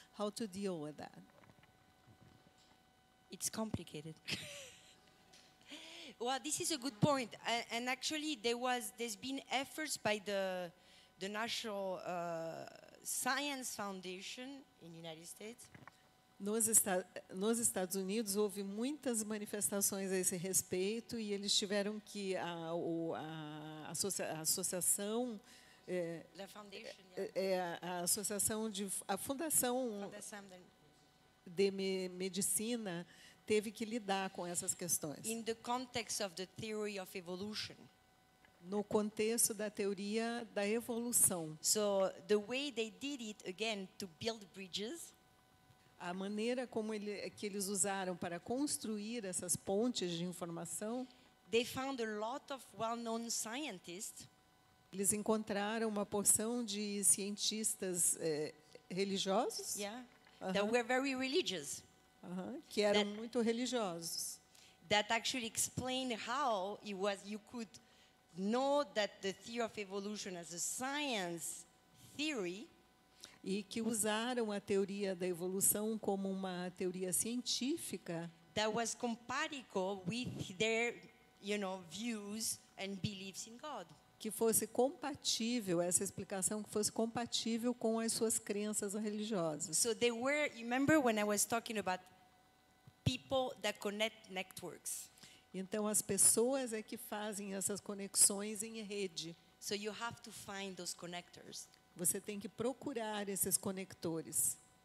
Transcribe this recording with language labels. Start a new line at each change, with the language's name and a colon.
English: How to deal with that? It's complicated. Well, this is a good point. And actually, there's been efforts by the National Science Foundation in the United States.
Portuguese: Nos Estados Unidos houve muitas manifestações a esse respeito e eles tiveram que a fundação de medicina teve que lidar com essas questões.
English: In the context of the theory of evolution.
Portuguese: No contexto da teoria da evolução.
English: So the way they did it again to build bridges.
Portuguese: A maneira como eles usaram para construir essas pontes de informação.
English: They found a lot of well-known scientists.
Portuguese: Eles encontraram uma porção de cientistas religiosos.
English: Yeah. Uh-huh. That were very religious.
Portuguese: Uh-huh. Que eram muito religiosos.
English: That actually explained how it was you could know that the theory of evolution as a science theory.
Portuguese: E que usaram a teoria da evolução como uma teoria científica.
English: That was compatible with their, you know, views and beliefs in God.
Portuguese: Que fosse compatível, essa explicação que fosse compatível com as suas crenças religiosas.
English: So they were, you remember when I was talking about people that connect networks?
Portuguese: Então as pessoas é que fazem essas conexões em rede.
English: So you have to find those connectors.
Portuguese: Você tem que procurar esses conectores.